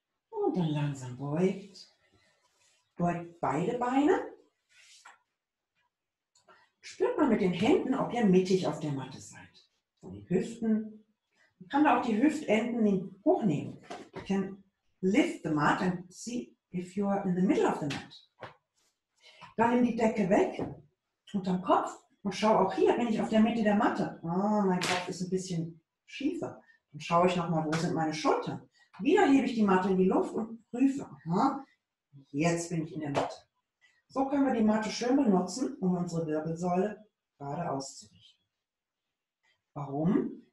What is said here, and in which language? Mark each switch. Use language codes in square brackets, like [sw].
[de] Und dann langsam beugt. Beugt beide Beine. Spürt mal mit den Händen, ob ihr mittig auf der Matte seid. Von den Hüften. Man kann da auch die Hüftenden hochnehmen. [en] You can lift the mat and see if you're in the middle of the mat. [de] Dann nimm die Decke weg unterm Kopf und schau auch hier, bin ich auf der Mitte der Matte? Oh, mein Kopf ist ein bisschen schiefer. Dann schaue ich nochmal, wo sind meine Schultern? Wieder hebe ich die Matte in die Luft und prüfe. Aha, jetzt bin ich in der Matte. So können wir die Matte schön benutzen, um unsere Wirbelsäule gerade auszurichten. Warum?